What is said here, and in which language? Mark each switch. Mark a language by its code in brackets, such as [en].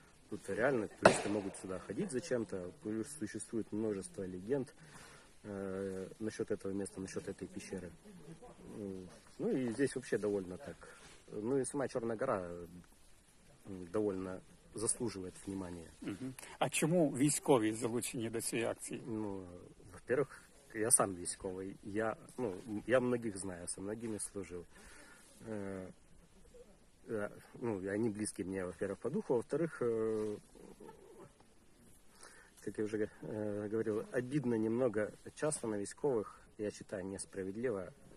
[ru] Тут реально туристы могут сюда ходить зачем-то, плюс существует множество легенд насчет этого места, насчет этой пещеры. Ну и здесь вообще довольно так. Ну и сама Черная гора довольно заслуживает внимания. [uk] А чему військовые залучені до цієї акції? [ru] Ну, во-первых, я сам військовый. Я многих знаю, со многими служил. Они близки мне, во-первых, по духу. Во-вторых, как я уже говорил, обидно немного часто на військовых, я считаю, несправедливо.